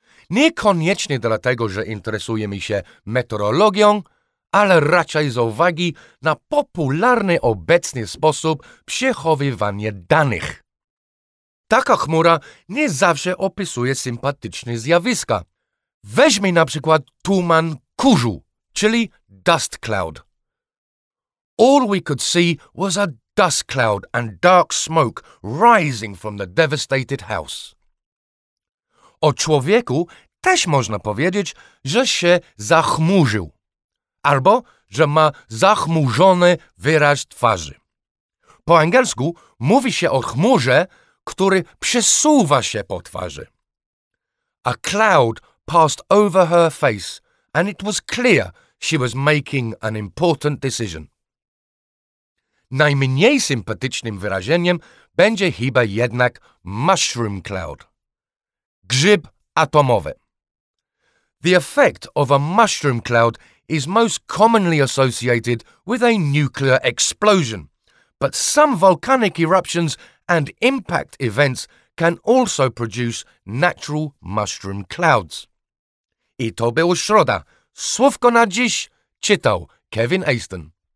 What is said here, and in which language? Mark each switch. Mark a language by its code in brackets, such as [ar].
[pl] Niekoniecznie dlatego, że interesujemy się meteorologią, ale raczej z uwagi na popularny obecny sposób przechowywania danych. Taka chmura nie zawsze opisuje sympatyczne zjawiska. Weźmy na przykład tuman kurzu, czyli [en] dust cloud. All we could see was a dust cloud and dark smoke rising from the devastated house. [pl] O człowieku też można powiedzieć, że się zachmurzył, albo że ma zachmurzony wyraz twarzy. Po angielsku mówi się o chmurze, który przesuwa się po twarzy. [en] A cloud passed over her face, and it was clear she was making an important decision. [pl] Najmniej sympatycznym wyrażeniem będzie chyba jednak [en] mushroom cloud. [pl] Grzyb atomowy. [en] The effect of a mushroom cloud is most commonly associated with a nuclear explosion, but some volcanic eruptions and impact events can also produce natural mushroom clouds. [pl] I to był środa. Słówko na dziś czytał Kevin Aston.